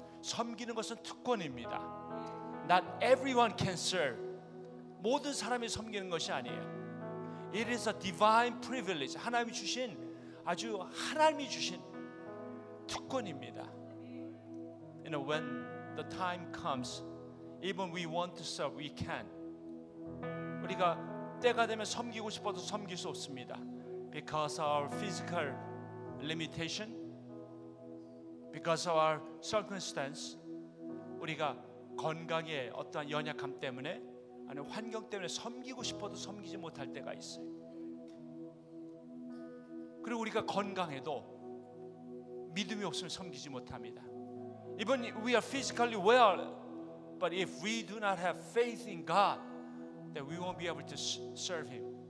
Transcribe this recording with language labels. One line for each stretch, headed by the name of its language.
Korean: 섬기는 것은 특권입니다.
English: Not everyone can serve.
Korean: 모든 사람이 섬기는 것이 아니에요.
English: It is a divine privilege.
Korean: 하나님이 주신 아주 하나님이 주신 특권입니다.
English: You know, when the time comes, even we want to serve, we can.
Korean: 우리가 때가 되면 섬기고 싶어도 섬길 수 없습니다.
English: Because of our physical limitation, because of our circumstance,
Korean: 우리가 건강에 어떠한 연약함 때문에 아니면 환경 때문에 섬기고 싶어도 섬기지 못할 때가 있어요. 그리고 우리가 건강해도 믿음이 없으면 섬기지 못합니다.
English: Even if we are physically well, but if we do not have faith in God, then we won't be able to serve Him.